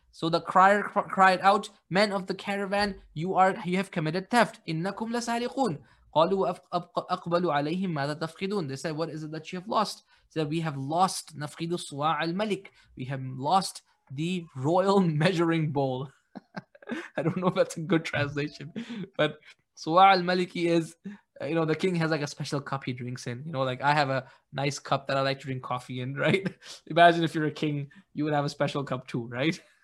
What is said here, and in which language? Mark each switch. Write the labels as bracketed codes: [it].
[en] So the crier cried out, men of the caravan, you have committed theft. [ar] Innakum lasariqun. قالوا أقبلوا عليهم ماذا تفقدون. [en] They said, what is it that you have lost? They said, we have lost [ar] نفقد صواع الملك. [en] We have lost the royal measuring bowl. I don't know if that's a good translation, but [ar] صواع الملك [en] is, you know, the king has like a special cup he drinks in. You know, like I have a nice cup that I like to drink coffee in, right? Imagine if you're a king, you would have a special cup too, right?